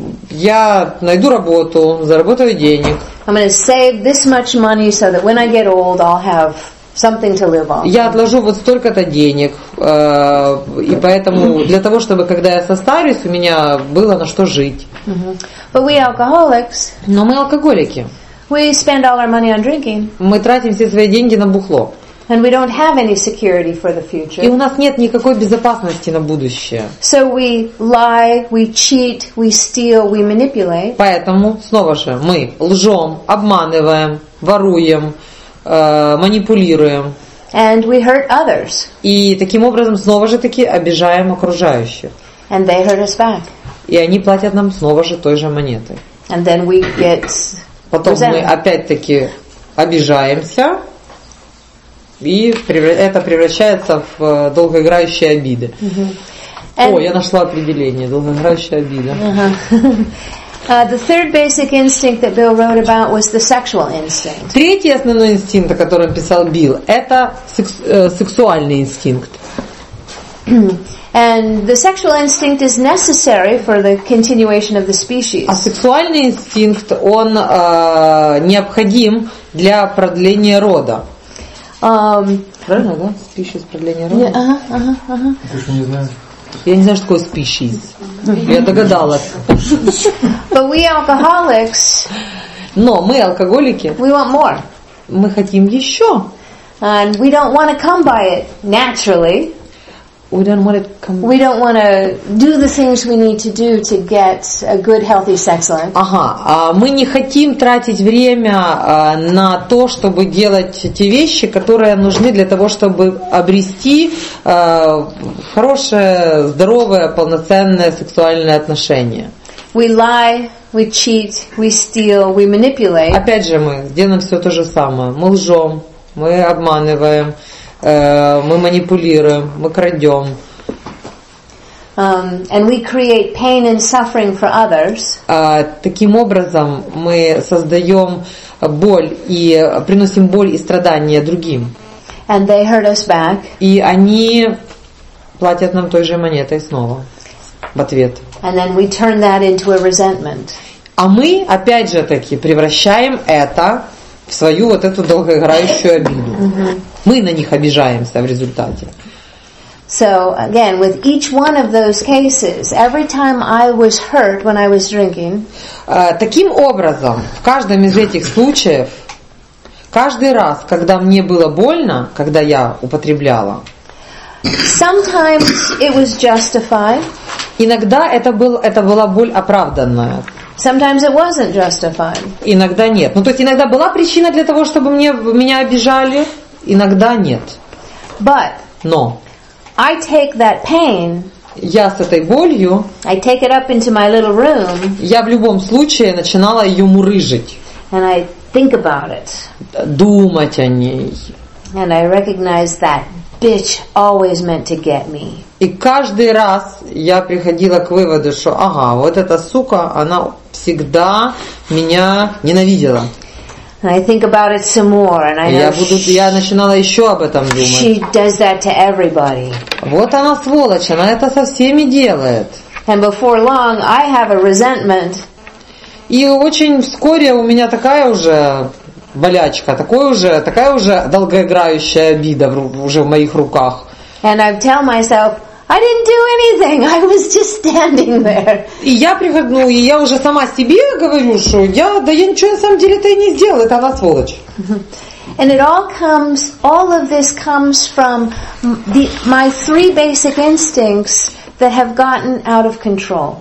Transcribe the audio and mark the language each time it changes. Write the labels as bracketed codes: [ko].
[ru] Я найду работу, заработаю денег. [en] I'm going to save this much money so that when I get old, I'll have something to live on. [ru] Я отложу вот столько-то денег, и поэтому для того, чтобы когда я состарюсь, у меня было на что жить. [en] But we alcoholics. [ru] Но мы алкоголики. [en] We spend all our money on drinking. [ru] Мы тратим все свои деньги на бухло. [en] And we don't have any security for the future. [ru] И у нас нет никакой безопасности на будущее. [en] So we lie, we cheat, we steal, we manipulate. [ru] Поэтому снова же мы лжем, обманываем, воруем, манипулируем. [en] And we hurt others. [ru] И таким образом снова же таки обижаем окружающих. [en] And they hurt us back. [ru] И они платят нам снова же той же монетой. [en] And then we get [ru] потом resentment. Мы опять-таки обижаемся. И это превращается в долгоиграющие обиды. Mm-hmm. О, я нашла определение. Долгоиграющая обида. [en] The third basic instinct that Bill wrote about was the sexual instinct. [ru] Третий основной инстинкт, о котором писал Билл, это сексуальный инстинкт. [en] And the sexual instinct is necessary for the continuation of the species. [ru] А сексуальный инстинкт, он необходим для продления рода. Правильно, да? Species, продление рода. Я не знаю, что такое species. Я догадалась. [en] But we alcoholics. [ru] Но мы алкоголики. [en] We want more. [ru] Мы хотим еще. [en] And we don't want to come by it naturally. We don't want to come. We don't want to do the things we need to do to get a good, healthy sex life. Ага. [ru] Мы не хотим тратить время на то, чтобы делать те вещи, которые нужны для того, чтобы обрести хорошее, здоровое, полноценное сексуальное отношение. [en] We lie, we cheat, we steal, we manipulate. [ru] Опять же, мы делаем все то же самое. Мы лжем, мы обманываем. Мы манипулируем, мы крадем. [en] And we create pain and suffering for others. [ru] Таким образом мы создаем боль и приносим боль и страдания другим. [en] And they hurt us back. [ru] И они платят нам той же монетой снова в ответ. [en] And then we turn that into a resentment. [ru] А мы опять же таки превращаем это в свою вот эту долгоиграющую обиду. Mm-hmm. Мы на них обижаемся в результате. [en] So again, with each one of those cases, every time I was hurt when I was drinking. [ru] Таким образом, в каждом из этих случаев, каждый раз, когда мне было больно, когда я употребляла. [en] Sometimes it was justified. [ru] Иногда это была боль оправданная. [en] Sometimes it wasn't justified. [ru] Иногда нет. Ну то есть иногда была причина для того, чтобы меня обижали. Иногда нет. [en] But. [ru] Но. [en] I take that pain. [ru] Я с этой болью. [en] I take it up into my little room. [ru] Я в любом случае начинала ее мурыжить. [en] And I think about it. [ru] Думать о ней. [en] And I recognize that bitch always meant to get me. [ru] И каждый раз я приходила к выводу, что ага, вот эта сука, она всегда меня ненавидела. [en] And I think about it some more, and I know. [ru] Я начинала еще об этом думать. [en] She does that to everybody. [ru] Вот она сволочь, она это со всеми делает. [en] And before long, I have a resentment. [ru] И очень вскоре у меня такая уже болячка, такая уже долгоиграющая обида уже в моих руках. [en] And I tell myself. I didn't do anything. I was just standing there. [ru] И я прихожу, и я уже сама себе говорю, что я ничего на самом деле-то и не сделала, это она сволочь. [en] And it all of this comes from my three basic instincts that have gotten out of control.